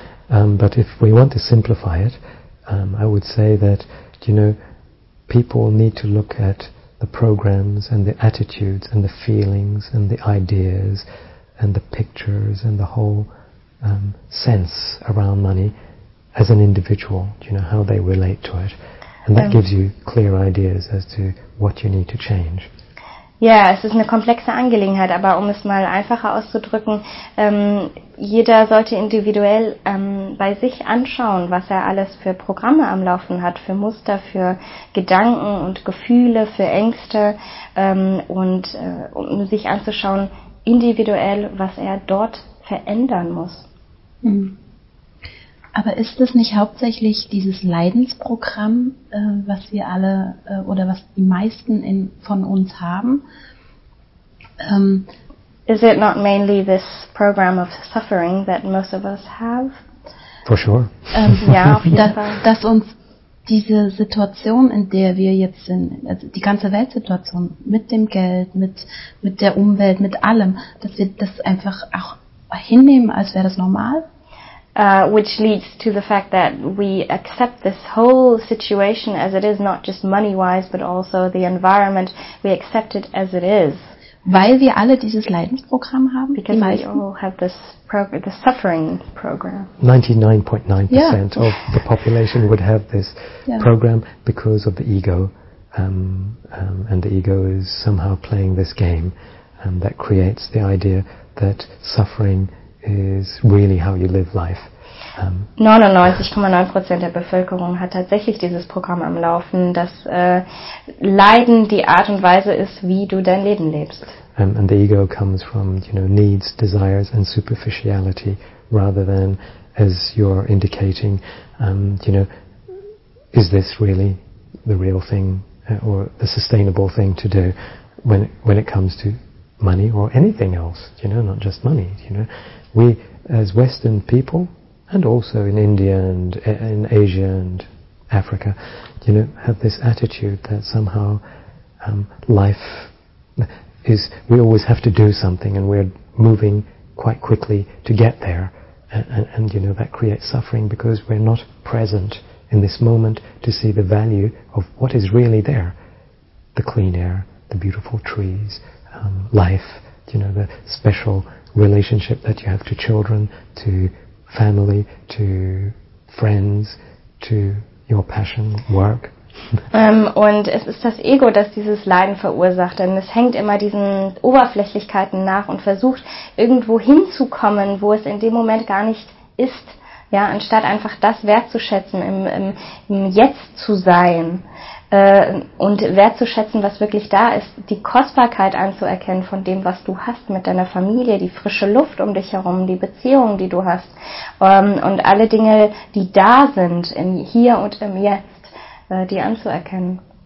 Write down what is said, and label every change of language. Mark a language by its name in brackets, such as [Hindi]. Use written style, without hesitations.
[English] But if we want to simplify it, I would say that, you know, people need to look at the programs and the attitudes and the feelings and the ideas and the pictures and the whole sense around money as an individual, you know, how they relate to it. And that gives you clear ideas as to what you need to change. [German] Ja, es ist eine komplexe Angelegenheit, aber um es mal einfacher auszudrücken, jeder sollte individuell bei sich anschauen, was er alles für Programme am Laufen hat, für Muster, für Gedanken und Gefühle, für Ängste um sich anzuschauen, individuell, was er dort verändern muss. Aber ist es nicht hauptsächlich dieses Leidensprogramm, was wir alle oder was die meisten von uns haben? [English] Is it not mainly this program of suffering that most of us have? For sure. [German] Ja, auf jeden Fall. Dass uns diese Situation, in der wir jetzt sind, also die ganze Weltsituation mit dem Geld, mit der Umwelt, mit allem, dass wir das einfach auch hinnehmen, als wäre das normal? [English] Which leads to the fact that we accept this whole situation as it is, not just money-wise, but also the environment. We accept it as it is. [German] Weil wir alle dieses Leidensprogramm haben? [English] Because we all have this the suffering program. 99.9% of the population would have this program because of the ego. And the ego is somehow playing this game. And that creates the idea that suffering is really how you live life. [German] 99,9% der Bevölkerung hat tatsächlich dieses Programm am Laufen, dass Leiden die Art und Weise ist, wie du dein Leben lebst. [English] And the ego comes from, you know, needs, desires and superficiality, rather than, as you're indicating, you know, is this really the real thing or the sustainable thing to do when it comes to money or anything else, you know, not just money, you know. We, as Western people, and also in India and in Asia and Africa, you know, have this attitude that somehow life is, we always have to do something and we're moving quite quickly to get there. And you know, that creates suffering because we're not present in this moment to see the value of what is really there. The clean air, the beautiful trees, life, you know, the special relationship that you have to children, to family, to friends, to your passion, work. [German] Und es ist das Ego, das dieses Leiden verursacht, denn es hängt immer diesen Oberflächlichkeiten nach und versucht, irgendwo hinzukommen, wo es in dem Moment gar nicht ist, Ja, anstatt einfach das wertzuschätzen, im Jetzt zu sein und wertzuschätzen, was wirklich da ist, die Kostbarkeit anzuerkennen von dem, was du hast mit deiner Familie, die frische Luft um dich herum, die Beziehungen, die du hast und alle Dinge, die da sind, im Hier und im Jetzt, die anzuerkennen.